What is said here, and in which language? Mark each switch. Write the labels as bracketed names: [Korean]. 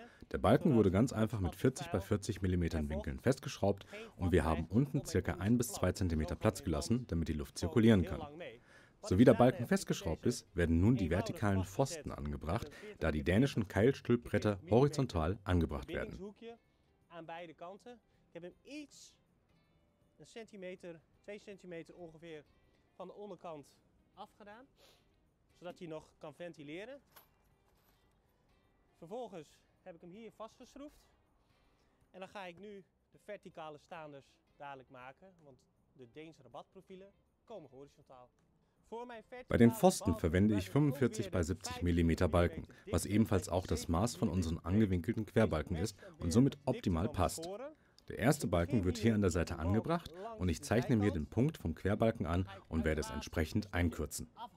[German] Der Balken wurde ganz einfach mit 40 bei 40 mm Winkeln festgeschraubt und wir haben unten ca. 1 bis 2 cm Platz gelassen, damit die Luft zirkulieren kann. So wie der Balken festgeschraubt ist, werden nun die vertikalen Pfosten angebracht, da die dänischen Keilstülpbretter horizontal angebracht werden. [Dutch] Aan beide kanten. Ik heb hem iets, een centimeter, twee centimeter ongeveer, van de onderkant afgedaan. Zodat hij nog kan ventileren. Vervolgens heb ik hem hier vastgeschroefd. En dan ga ik nu de verticale staanders dadelijk maken. Want de Deense rabatprofielen komen horizontaal. [German] Bei den Pfosten verwende ich 45 bei 70 mm Balken, was ebenfalls auch das Maß von unseren angewinkelten Querbalken ist und somit optimal passt. Der erste Balken wird hier an der Seite angebracht und ich zeichne mir den Punkt vom Querbalken an und werde es entsprechend einkürzen.